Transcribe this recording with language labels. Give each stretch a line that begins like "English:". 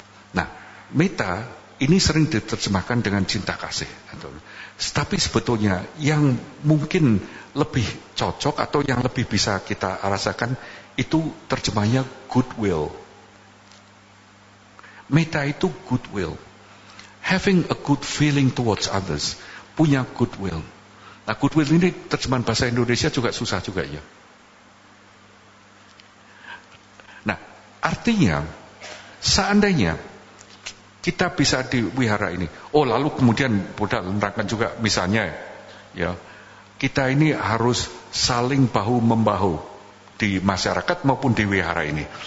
Indonesian: Nah, metta ini sering diterjemahkan dengan cinta kasih. Tapi sebetulnya yang mungkin lebih cocok atau yang lebih bisa kita rasakan itu terjemahnya goodwill. Metta itu goodwill.
English: Having a good feeling towards others.
Indonesian: Punya goodwill. Nah, goodwill ini terjemahan bahasa Indonesia juga susah juga ya. Nah, artinya seandainya kita bisa di wihara ini. Oh, lalu kemudian Buddha menerangkan juga misalnya ya, kita ini harus saling bahu-membahu di masyarakat maupun di wihara ini.